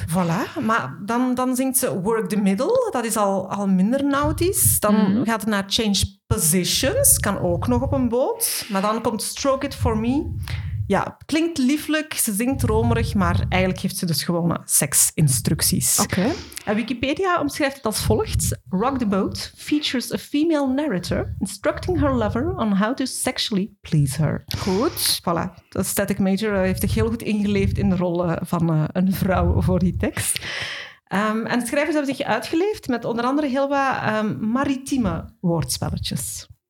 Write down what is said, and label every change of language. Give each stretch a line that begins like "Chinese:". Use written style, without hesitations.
Dutch: Voilà, maar dan zingt ze Work the Middle. Dat is al minder nautisch. Dan gaat het naar Change Positions, kan ook nog op een boot. Maar dan komt Stroke It For Me. Ja, klinkt lieflijk, ze zingt romerig, maar eigenlijk heeft ze dus gewone seksinstructies. Oké. En Wikipedia omschrijft het als volgt.
English: Rock the Boat features a female narrator instructing her lover on how to sexually please her.
Dutch: Goed. Voilà. De Static Major heeft zich heel goed ingeleefd in de rol van een vrouw voor die tekst. En de schrijvers hebben zich uitgeleefd met onder andere heel wat maritieme woordspelletjes.